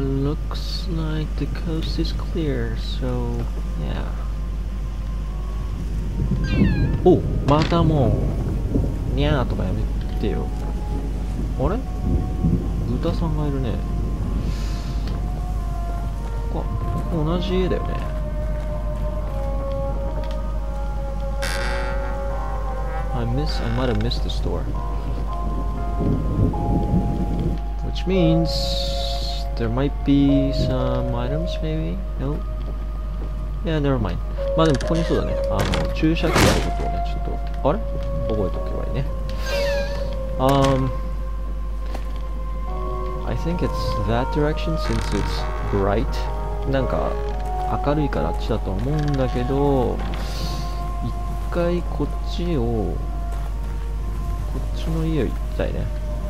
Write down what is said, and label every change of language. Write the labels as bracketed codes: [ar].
[en] Looks like the coast is clear, so yeah. [ja] お、またもう、にゃーとかやめてよ。あれ？豚さんがいるね。ここ同じ家だよね。 [en] I might have missed the store. Which means. There might be some items, maybe? No? Yeah, never mind. [ja] まあでもここにそうだね。あの、注射器があることをね、ちょっと、あれ？覚えておけばいいね。 [en] I think it's that direction since it's bright. [ja] なんか、明るいからあっちだと思うんだけど、一回こっちを、こっちの家を行きたいね。